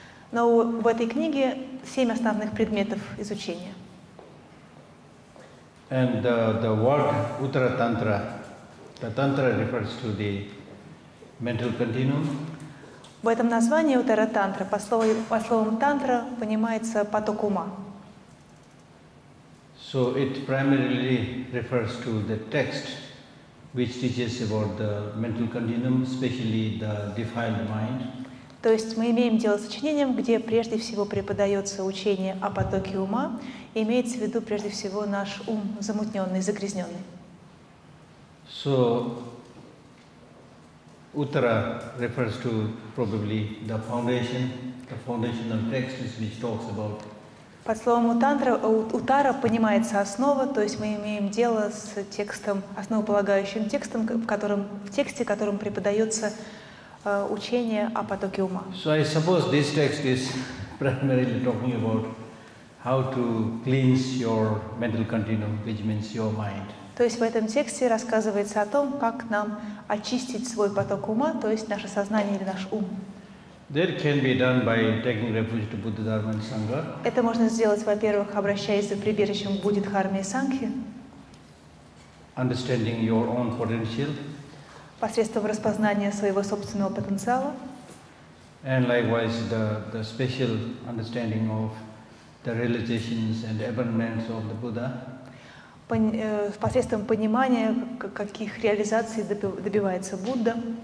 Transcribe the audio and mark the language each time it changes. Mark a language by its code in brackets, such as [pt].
[ru] Но в этой книге семь основных предметов изучения. [en] And the word Uttara Tantra, the Tantra refers to the mental continuum. [ru] В этом названии Уттара Тантра по словам Тантра понимается поток ума. [en] So it primarily refers to the text, which teaches about the mental continuum, especially the defiled mind. [ru] То есть мы имеем дело с сочинением, где прежде всего преподается учение о потоке ума, имеется в виду прежде всего наш ум замутненный, загрязненный. [en] So Uttara refers to probably the foundational text, which talks about. [ru] Под словом Уттара понимается основа, то есть мы имеем дело с текстом, основополагающим текстом, в котором преподается учение о потоке ума. [en] So I suppose this text is primarily talking about how to cleanse your mental continuum, which means your mind. [ru] То есть в этом тексте рассказывается о том, как нам очистить свой поток ума, то есть наше сознание или наш ум. [en] That can be done by taking refuge to Buddha, Dharma, and Sangha. [ru] Это можно сделать, во-первых, обращаясь за прибежищем к Будде, Дхарме и Сангхе. [en] Understanding your own potential. [ru] Посредством распознания своего собственного потенциала. [en] And likewise the special understanding of the realizations and advancements of the Buddha. [ru] Посредством понимания, каких реализаций добивается Будда.